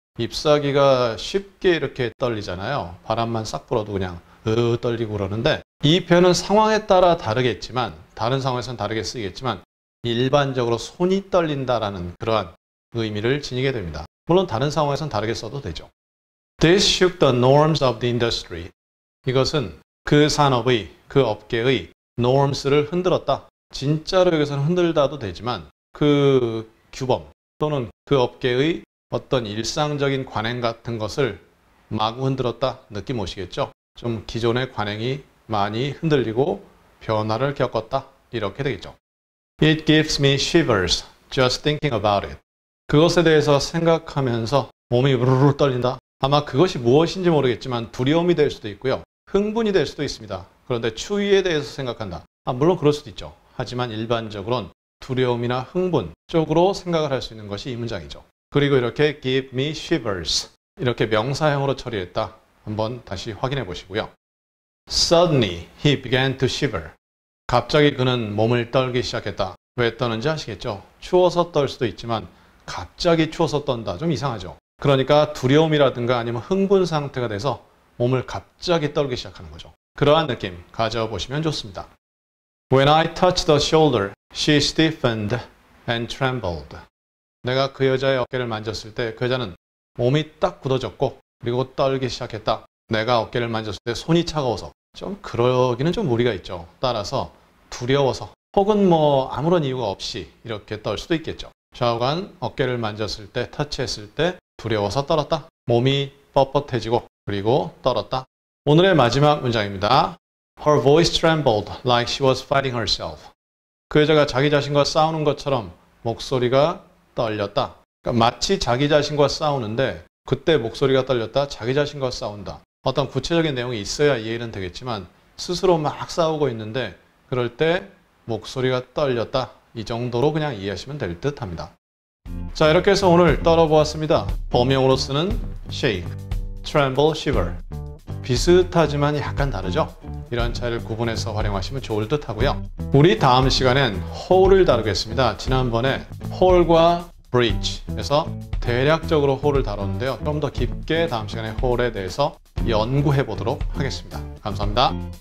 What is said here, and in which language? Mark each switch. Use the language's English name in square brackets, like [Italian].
[Korean] 잎사귀가 쉽게 이렇게 떨리잖아요. 바람만 싹 불어도 그냥 떨리고 그러는데 이 표현은 상황에 따라 다르겠지만 다른 상황에서는 다르게 쓰이겠지만 일반적으로 손이 떨린다라는 그러한 의미를 지니게 됩니다. 물론 다른 상황에서는 다르게 써도 되죠. [English] This shook the norms of the industry. [Korean] 이것은 그 산업의, 그 업계의 norms를 흔들었다. 진짜로 여기서는 흔들다도 되지만 그 규범 또는 그 업계의 어떤 일상적인 관행 같은 것을 마구 흔들었다 느낌 오시겠죠? 좀 기존의 관행이 많이 흔들리고 변화를 겪었다 이렇게 되겠죠. [English] It gives me shivers just thinking about it. [Korean] 그것에 대해서 생각하면서 몸이 우르르 떨린다. 아마 그것이 무엇인지 모르겠지만 두려움이 될 수도 있고요. 흥분이 될 수도 있습니다. 그런데 추위에 대해서 생각한다. 아, 물론 그럴 수도 있죠. 하지만 일반적으로는 두려움이나 흥분 쪽으로 생각을 할 수 있는 것이 이 문장이죠. 그리고 이렇게 [English] give me shivers [Korean] 이렇게 명사형으로 처리했다. 한번 다시 확인해 보시고요. [English] Suddenly he began to shiver. [Korean] 갑자기 그는 몸을 떨기 시작했다. 왜 떠는지 아시겠죠? 추워서 떨 수도 있지만 갑자기 추워서 떤다. 좀 이상하죠? 그러니까 두려움이라든가 아니면 흥분 상태가 돼서 몸을 갑자기 떨기 시작하는 거죠. 그러한 느낌 가져보시면 좋습니다. [English] When I touched the shoulder, she stiffened and trembled. [Korean] 내가 그 여자의 어깨를 만졌을 때 그 여자는 몸이 딱 굳어졌고 그리고 떨기 시작했다. 내가 어깨를 만졌을 때 손이 차가워서 좀 그러기는 좀 무리가 있죠. 따라서 두려워서 혹은 뭐 아무런 이유가 없이 이렇게 떨 수도 있겠죠. 좌우간 어깨를 만졌을 때, 터치했을 때 두려워서 떨었다. 몸이 뻣뻣해지고 그리고 떨었다. 오늘의 마지막 문장입니다. [English] Her voice trembled like she was fighting herself. [Korean] 그 여자가 자기 자신과 싸우는 것처럼 목소리가 떨렸다. 그러니까 마치 자기 자신과 싸우는데 그때 목소리가 떨렸다. 자기 자신과 싸운다. 어떤 구체적인 내용이 있어야 이해는 되겠지만 스스로 막 싸우고 있는데 그럴 때 목소리가 떨렸다. 이 정도로 그냥 이해하시면 될 듯 합니다. 자, 이렇게 해서 오늘 떨어보았습니다. 범용으로 쓰는 shake, tremble, shiver. 비슷하지만 약간 다르죠? 이런 차이를 구분해서 활용하시면 좋을 듯 하고요. 우리 다음 시간엔 hole을 다루겠습니다. 지난번에 hole과 bridge에서 대략적으로 홀을 다뤘는데요. 좀 더 깊게 다음 시간에 홀에 대해서 연구해 보도록 하겠습니다. 감사합니다.